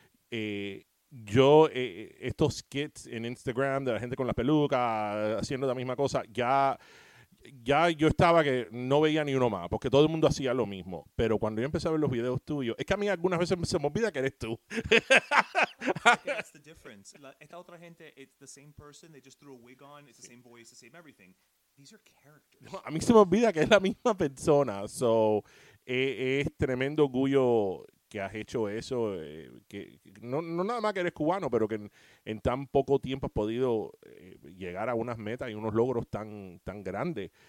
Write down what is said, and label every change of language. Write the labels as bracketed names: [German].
[Spanish] Estos skits en Instagram de la gente con las pelucas haciendo la misma cosa, ya yo estaba que no veía ni uno más porque todo el mundo hacía lo mismo. Pero cuando yo empecé a ver los videos tuyos, es que a mí algunas veces se me olvida que eres tú. [English] That's the difference. [Spanish] Esta otra gente, [English] it's the same person, they just threw a wig on, it's the same voice, the same everything. These are characters. [Spanish] No, a mí se me olvida que es la misma persona. So, es tremendo orgullo que has hecho eso, que no nada más que eres cubano, pero que en tan poco tiempo has podido llegar a unas metas y unos logros tan, tan grandes.